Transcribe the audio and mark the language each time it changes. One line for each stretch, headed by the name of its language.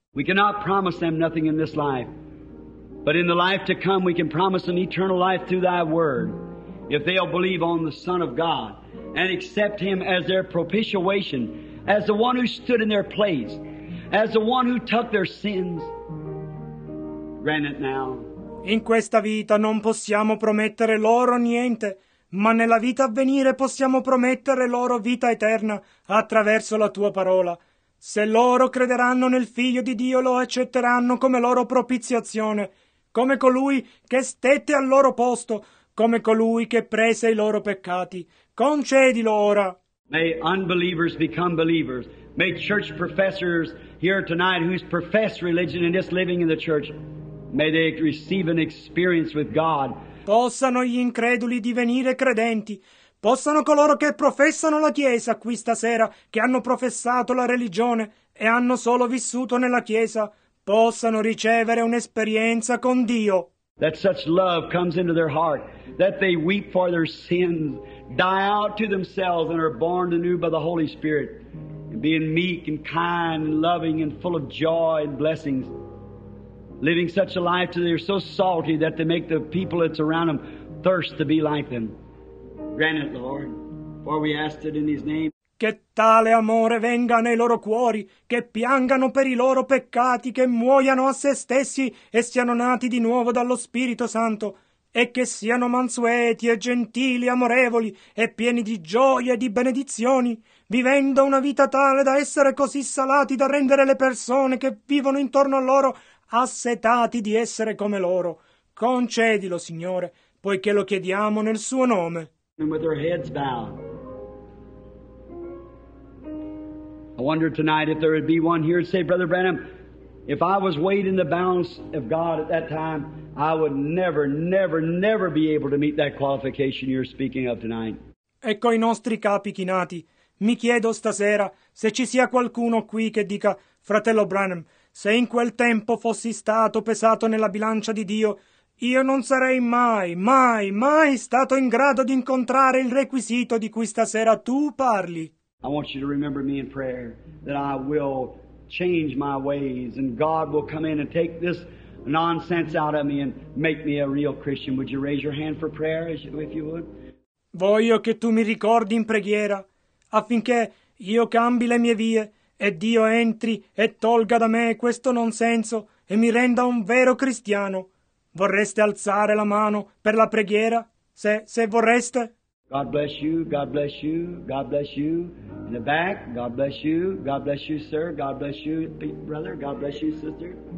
English: We cannot promise them nothing in this life. But in the life to come, we can promise them eternal life through thy word, if they'll believe on the Son of God and accept him as their propitiation, as the one who stood in their place, as the one who took their sins. Grant it now.
Italian: In questa vita non possiamo promettere loro niente, ma nella vita a venire possiamo promettere loro vita eterna attraverso la tua parola. Se loro crederanno nel Figlio di Dio, lo accetteranno come loro propiziazione, come colui che stette al loro posto, come colui che prese i loro peccati. Concedilo ora.
English: May unbelievers become believers. May church professors here tonight who's professed religion and just living in the church, may they receive an experience with God.
Italian: Possano gli increduli divenire credenti. Possano coloro che professano la Chiesa qui stasera, che hanno professato la religione e hanno solo vissuto nella Chiesa, possano ricevere un'esperienza con Dio.
English: That such love comes into their heart, that they weep for their sins, die out to themselves and are born anew by the Holy Spirit, being meek and kind and loving and full of joy and blessings. Living such a life till they're so salty that they make the people that's around them thirst to be like them. Grant it, Lord, for we ask it in His name.
Italian: Che tale amore venga nei loro cuori, che piangano per i loro peccati, che muoiano a se stessi e siano nati di nuovo dallo Spirito Santo, e che siano mansueti e gentili, amorevoli e pieni di gioia e di benedizioni, vivendo una vita tale da essere così salati da rendere le persone che vivono intorno a loro assetati di essere come loro. Concedilo, Signore, poiché lo chiediamo nel Suo nome.
English: With their heads bowed. I wonder tonight if there would be one here and say, Brother Branham, if I was weighed in the balance of God at that time, I would never, never, never be able to meet that qualification you're speaking of tonight.
Italian: Ecco i nostri capi chinati. Mi chiedo stasera se ci sia qualcuno qui che dica, Fratello Branham, se in quel tempo fossi stato pesato nella bilancia di Dio, io non sarei mai, mai, mai stato in grado di incontrare il requisito di cui stasera tu parli.
English: I want you to remember me in prayer that I will change my ways and God will come in and take this nonsense out of me and make me a real Christian. Would you raise your hand for prayer if you would?
Italian: Voglio che tu mi ricordi in preghiera affinché io cambi le mie vie e Dio entri e tolga da me questo nonsenso e mi renda un vero cristiano. Vorreste alzare la mano per la preghiera? Se vorreste.
English: God bless you, God bless you, God bless you. In the back, God bless you, sir, God bless you, brother, God bless you, sister.